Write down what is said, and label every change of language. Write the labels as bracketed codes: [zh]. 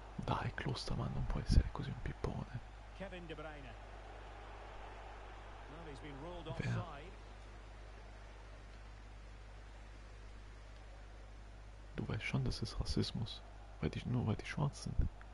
[it] Dai Klostermann, non può essere così un pippone. Kevin De Bruyne. [en] Now he's been ruled offside. [de] Du weißt schon, das ist Rassismus, weil die nur weil die schwarz sind.